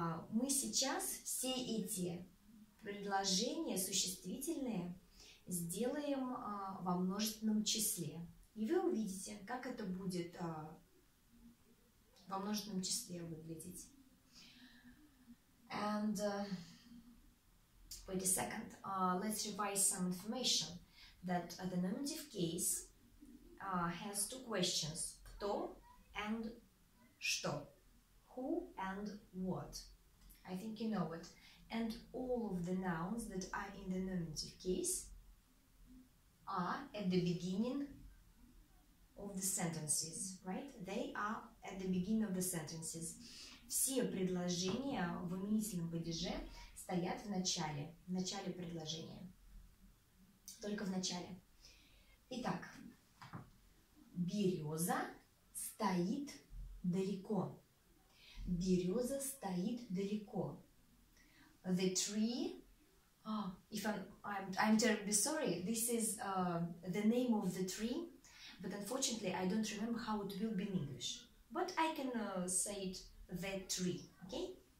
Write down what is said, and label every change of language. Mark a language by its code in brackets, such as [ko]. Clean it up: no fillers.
[ru] Мы сейчас все эти предложения существительные сделаем во множественном числе. И вы увидите, как это будет во множественном числе выглядеть. [en] And wait a second, let's revise some information that the nominative case has two questions: [ru] кто [en] and [ru] что, [en] who and what. I think you know it. And all of the nouns that are in the nominative case are at the beginning of the sentences, right? They are at the beginning of the sentences. [ru] Все предложения в именительном падеже стоят в начале предложения. Только в начале. Итак, береза стоит далеко. Береза стоит далеко. [en] The tree, I'm terribly sorry, this is the name of the tree, but unfortunately I don't remember how it will be in English. But I can say it, the tree, okay?